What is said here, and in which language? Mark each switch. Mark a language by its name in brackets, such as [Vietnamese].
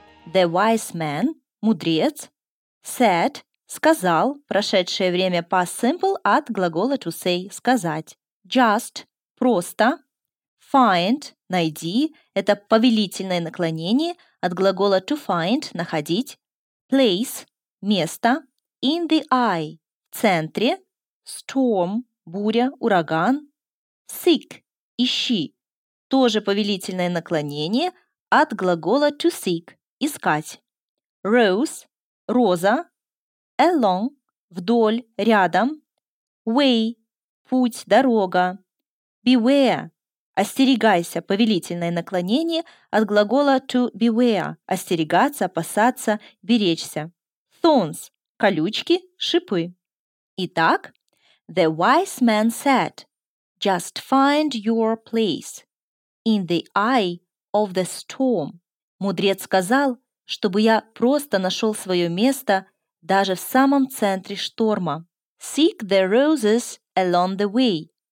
[Russian] The wise man, мудрец, said, сказал, прошедшее время past simple от глагола to say, сказать. Just, просто, find, найди, это повелительное наклонение от глагола to find, находить. Place, место, in the eye, в центре, storm, буря, ураган. Seek, ищи, тоже повелительное наклонение от глагола to seek, искать. Rose, роза, along, вдоль, рядом. Way, путь, дорога. Beware, остерегайся, повелительное наклонение от глагола to beware, остерегаться, опасаться, беречься. Thorns, колючки, шипы. [English] Итак, the wise man said, just find your place in the eye of the storm. [Russian] Мудрец сказал, чтобы я просто нашел свое место даже в самом центре шторма. [English] Seek the roses along the way.